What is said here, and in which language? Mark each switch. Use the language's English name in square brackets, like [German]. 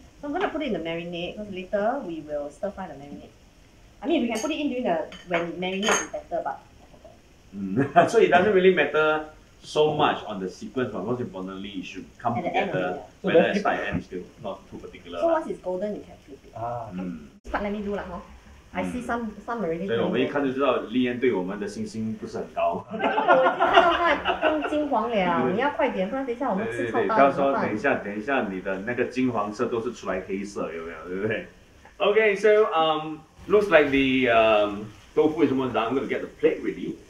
[English] So I'm gonna put it in the marinade because later we will stir fry the marinade. I mean, we can put it in when marinade is better, but. So it doesn't really matter so much on the sequence, but most importantly, it should come together. So whether it's by end, still not too particular. So once it's golden, you can flip it. Ah. But let me do lah, huh? I see some already. [Chinese] 所以我们一看就知道丽嫣对我们的信心不是很高。因为我看到它用金黄了，你要快点，不然等一下我们吃臭豆腐。对，他说等一下，你的那个金黄色都是出来黑色，有没有？ [English] 对不对？Okay, so looks like the tofu is almost done. I'm gonna get the plate ready.